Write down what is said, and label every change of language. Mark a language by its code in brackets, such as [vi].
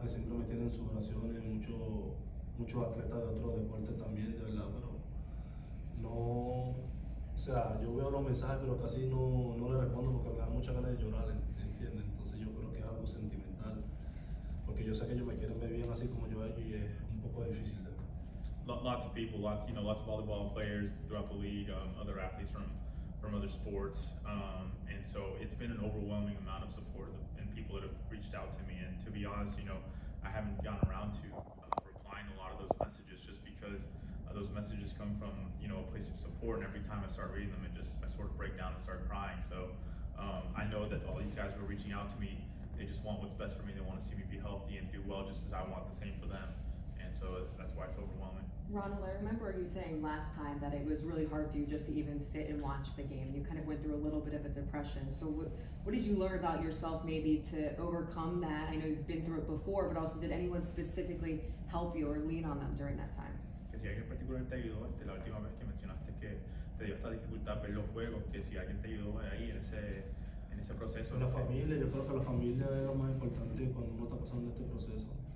[es] Que siempre me tienen sus oraciones, muchos atletas de otros deportes también, de verdad, pero no, O sea, yo veo los mensajes, pero casi no le respondo porque me da mucha ganas de llorar, ¿entiendes? Entonces yo creo que es algo sentimental, porque yo sé que ellos me quieren ver bien así como yo a ellos y es un poco difícil. [en] Lots of people, lots of volleyball players throughout the league, other athletes from other sports, and so it's been an overwhelming amount of support and people that have reached out to me. And to be honest, you know, I haven't gotten around to replying a lot of those messages just because those messages come from, you know, a place of support, and every time I start reading them, I sort of break down and start crying. So I know that all these guys who are reaching out to me, they just want what's best for me. They want to see me be healthy and do well, just as I want the same for them. And so that's why it's overwhelming. Ronald, I remember you saying last time that it was really hard for you just to even sit and watch the game. You kind of went through a little bit of a depression. So what did you learn about yourself maybe to overcome that? I know you've been through it before, but also did anyone specifically help you or lean on them during that time? [es] Que si alguien particular te ayudó, la última vez que mencionaste que te dio esta dificultad ver los juegos, que si alguien te ayudó ahí en ese proceso. La familia, yo creo que la familia es lo más importante cuando uno está pasando este proceso.